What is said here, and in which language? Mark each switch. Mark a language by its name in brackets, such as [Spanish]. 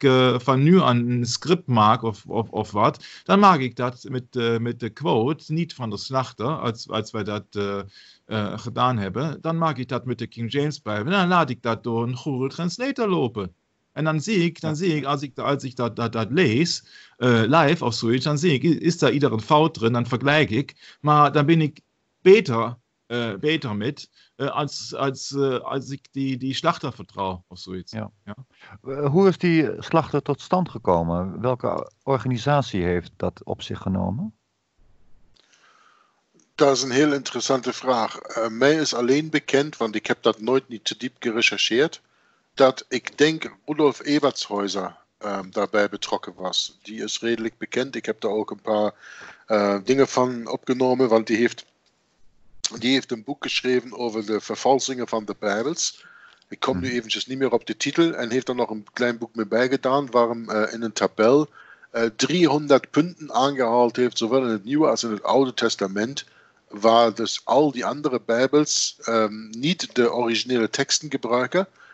[Dutch] ik van nu aan een script maak of wat, dan maak ik dat met de quote, niet van de slachter, als wij dat gedaan hebben. Dan maak ik dat met de King James Bible. Dan laat ik dat door een Google Translator lopen. En dan zie ik, als ik dat lees, live of zoiets, dan zie ik, is da ieder een fout drin, dan vergelijk ik. Maar dan ben ik beter [German] mit, als ich die Schlachter vertraue auf so etwas. Ja. Ja. Wie ist die Schlachter [Dutch] tot stand [German] gekommen? Welche Organisation hat das auf sich genommen? Das ist eine sehr interessante Frage. Mir ist allein bekannt, weil ich habe das [Dutch] nooit [German] nicht zu deep recherchiert, dass ich denke, Rudolf Ebertshäuser dabei [Dutch] betrokken was. [German] Die ist [Dutch] redelijk [German] bekannt. Ich habe da auch ein paar Dinge von abgenommen, weil [Dutch] die heeft. Die heeft een boek geschreven over de vervalsingen van de Bijbels. Ik kom nu eventjes niet meer op de titel. En heeft er nog een klein boek mee bijgedaan. Waar hem in een tabel 300 punten aangehaald heeft. Zowel in het Nieuwe als in het Oude Testament. Waar dus al die andere Bijbels niet de originele teksten gebruiken.